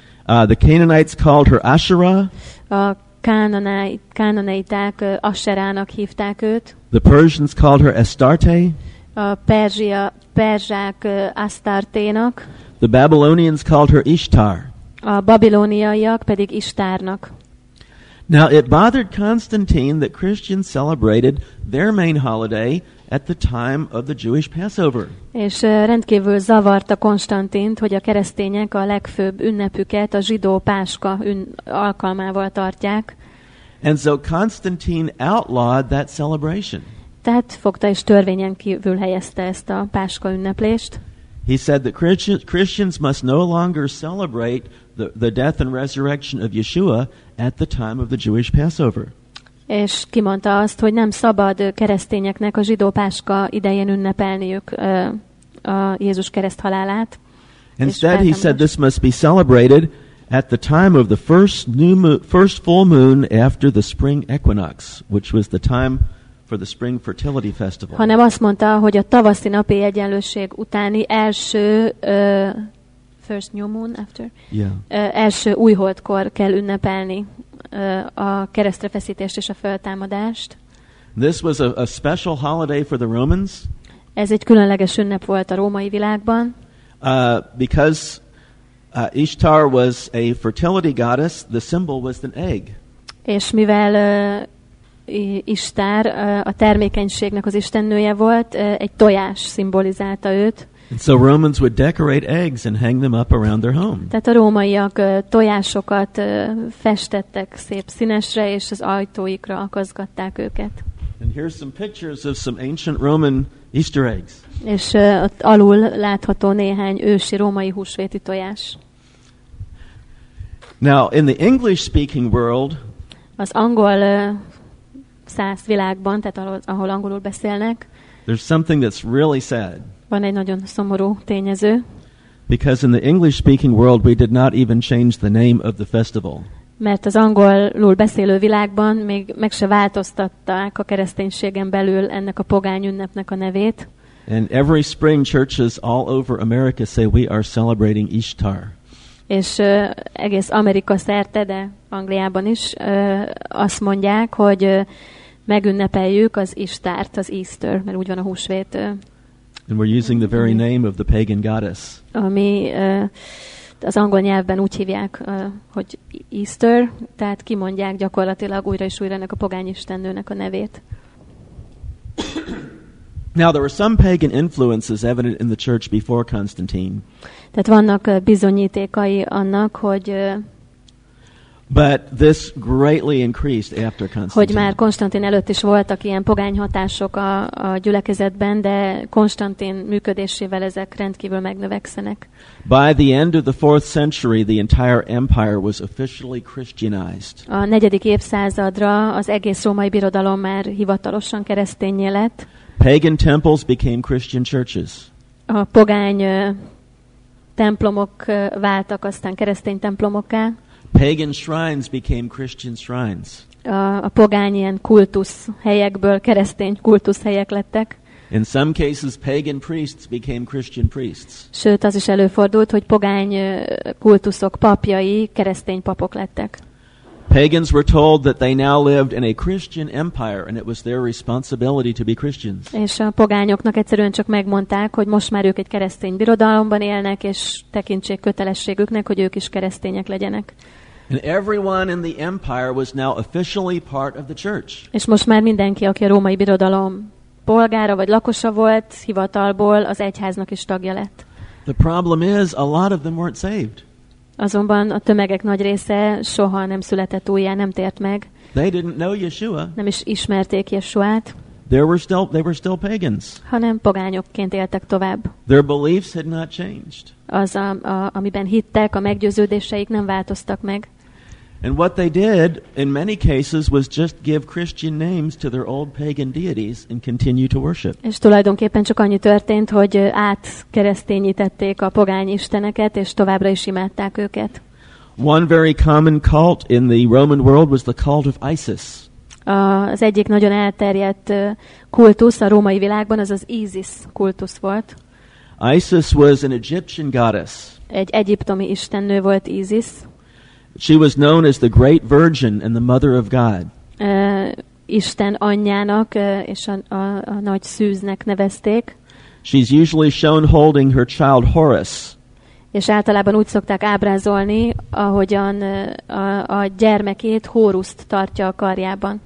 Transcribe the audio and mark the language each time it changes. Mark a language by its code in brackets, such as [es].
[en] The Canaanites called her Asherah. [hu] A kánonaiták Asherának hívták őt. [en] The Persians called her Astarte. [hu] A perzsák Astarténak. [en] The Babylonians called her Ishtar. [hu] A babiloniaiak pedig Ishtárnak. [en] Now it bothered Constantine that Christians celebrated their main holiday at the time of the Jewish Passover. [hu] És rendkívül zavarta Konstantint, hogy a keresztények a legfőbb ünnepüket a zsidó Páska alkalmával tartják. [en] And so Constantine outlawed that celebration. [hu] Tehát fogta és törvényen kívül helyezte ezt a Páska ünneplést. [en] He said that Christians must no longer celebrate the death and resurrection of Yeshua at the time of the Jewish Passover. [hu] És kimondta azt, hogy nem szabad keresztényeknek a zsidó Páska idején ünnepelniük a Jézus kereszt halálát. [en] Instead, he said this must be celebrated at the time of the first full moon after the spring equinox, which was the time for the spring fertility festival. [hu] Hanem azt mondta, hogy a tavaszi napi egyenlőség utáni első [en] first new moon after. Yeah. [hu] Első újholdkor kell ünnepelni a keresztre feszítést és a föltámadást. [en] This was a special holiday for the Romans. [hu] Ez egy különleges ünnep volt a római világban. [en] Because Ishtar was a fertility goddess, the symbol was an egg. [hu] És mivel Ishtar a termékenységnek az istennője volt, egy tojás szimbolizálta őt. [en] And so Romans would decorate eggs and hang them up around their home. [hu] Tehát a rómaiak tojásokat festettek szép színesre, és az ajtóikra akaszgatták őket. [en] And here's some pictures of some ancient Roman Easter eggs. [hu] És ott alul látható néhány ősi római húsvéti tojás. [en] Now, in the English-speaking world, [hu] az angol száz világban, tehát ahol angolul beszélnek, [en] there's something that's really sad. [hu] Van egy nagyon szomorú tényező. [en] Because in the English speaking world we did not even change the name of the festival. [hu] Mert az angolul beszélő világban még meg se változtatták a kereszténységen belül ennek a pogány ünnepnek a nevét. [en] And every spring churches all over America say we are celebrating Ishtar. [hu] És egész Amerika szerte, de Angliában is azt mondják, hogy megünnepeljük az Ishtart, az Easter, mert úgy van a húsvét. [en] And we're using the very name of the pagan goddess. [hu] Ami az angol nyelvben úgy hívják, hogy Easter, tehát kimondják gyakorlatilag újra és újra ennek a pogány istennőnek a nevét. [en] Now there were some pagan influences evident in the church before Constantine. [hu] Tehát vannak bizonyítékai annak, hogy [en] but this greatly increased after Constantine. [hu] Hogy már Konstantin előtt is voltak ilyen pogány hatások a gyülekezetben, de Konstantin működésével ezek rendkívül megnövekszenek. [en] By the end of the 4th century, the entire empire was officially Christianized. [hu] A 4. évszázadra az egész római birodalom már hivatalosan keresztényé lett. [en] Pagan temples became Christian churches. [hu] A pogány templomok váltak aztán keresztény templomokká. [en] Pagan shrines became Christian shrines. [hu] A pogány ilyen kultusz helyekből keresztény kultusz helyek lettek. [en] In some cases, pagan priests became Christian priests. [hu] Sőt, az is előfordult, hogy pogány kultuszok papjai keresztény papok lettek. [en] Pagans were told that they now lived in a Christian empire, and it was their responsibility to be Christians. [hu] És a pogányoknak egyszerűen csak megmondták, hogy most már ők egy keresztény birodalomban élnek, és tekintsék kötelességüknek, hogy ők is keresztények legyenek. [en] And everyone in the empire was now officially part of the church. [hu] És most már mindenki, aki a római birodalom polgára vagy lakosa volt, hivatalból az egyháznak is tagja lett. [en] The problem is, a lot of them weren't saved. [hu] Azonban a tömegek nagy része soha nem született újjá, nem tért meg. [en] They didn't know Yeshua. [hu] Nem is ismerték Yeshuát. [en] They were still pagans. [hu] Hanem pogányokként éltek tovább. [en] Their beliefs had not changed. [hu] Az, amiben hittek, a meggyőződéseik nem változtak meg. [en] And what they did in many cases was just give Christian names to their old pagan deities and continue to worship. [hu] És tulajdonképpen csak annyi történt, hogy átkereszténítették a pogány isteneket és továbbra is imádták őket. [en] One very common cult in the Roman world was the cult of Isis. [hu] Az egyik nagyon elterjedt kultusz a római világban az Isis kultusz volt. [en] Isis was an Egyptian goddess. [hu] Egy egyiptomi istennő volt Isis. [en] She was known as the Great Virgin and the Mother of God. [hu] Isten anyjának és a nagy szűznek nevezték. [en] She's usually shown holding her child Horus. [hu] És általában úgy szokták ábrázolni, ahogyan a gyermekét Horuszt tartja a karjában.